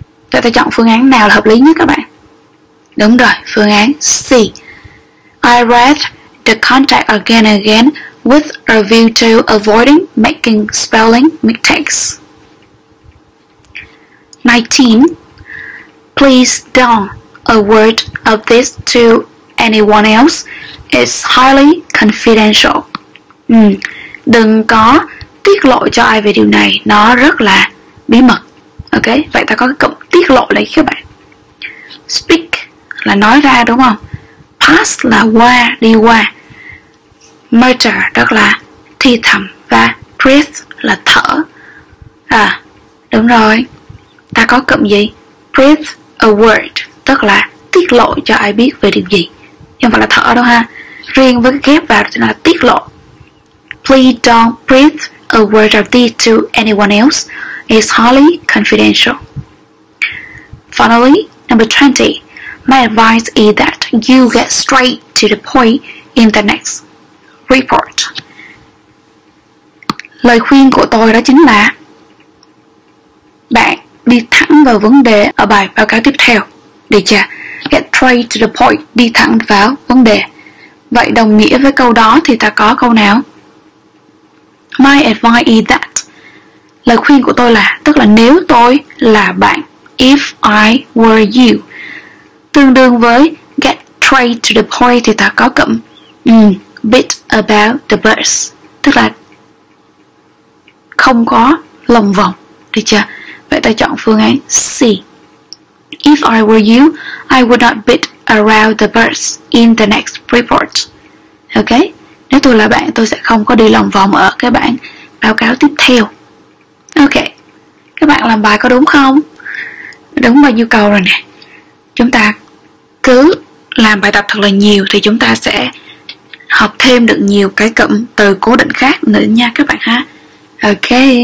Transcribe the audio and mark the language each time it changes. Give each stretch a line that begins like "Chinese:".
Vietnamese: Vậy ta chọn phương án nào là hợp lý nhất các bạn? Đúng rồi, phương án C.
English: I read the contract again and again with a view to avoiding making spelling mistakes. 19. Please don't a word of this to anyone else. It's highly confidential.
Vietnamese: Đừng có tiết lộ cho ai về điều này. Nó rất là bí mật. Ok, vậy ta có cái cụm tiết lộ lại các bạn. Speak là nói ra đúng không? Pass là qua, đi qua. Mutter tức là thì thầm. Và breathe là thở. Đúng rồi. Ta có cụm gì?
English: Breathe a word,
Vietnamese: tức là tiết lộ cho ai biết về điều gì. Nhưng mà là thở đâu ha. Riêng với cái ghép vào thì là tiết lộ.
English: Please don't breathe a word of this to anyone else. It's highly confidential. Finally, number 20. My advice is that you get straight to the point in the next report.
Vietnamese: Lời khuyên của tôi đó chính là bạn đi thẳng vào vấn đề ở bài báo cáo tiếp theo. Được chưa?
English: Get straight to the point,
Vietnamese: đi thẳng vào vấn đề. Vậy đồng nghĩa với câu đó thì ta có câu nào?
English: My advice is that.
Vietnamese: Lời khuyên của tôi là, tức là nếu tôi là bạn,
English: if I were you,
Vietnamese: tương đương với
English: get straight to the point
Vietnamese: thì ta có cụm
English: bit about the birds,
Vietnamese: tức là không có lòng vòng. Được chưa? Vậy ta chọn phương án C.
English: If I were you, I would not beat around the birds in the next report. Ok?
Vietnamese: Nếu tôi là bạn, tôi sẽ không có đi lòng vòng ở cái bản báo cáo tiếp theo. Ok. Các bạn làm bài có đúng không? Đúng bao nhiêu câu rồi nè. Chúng ta cứ làm bài tập thật là nhiều thì chúng ta sẽ học thêm được nhiều cái cụm từ cố định khác nữa nha các bạn ha. Ok.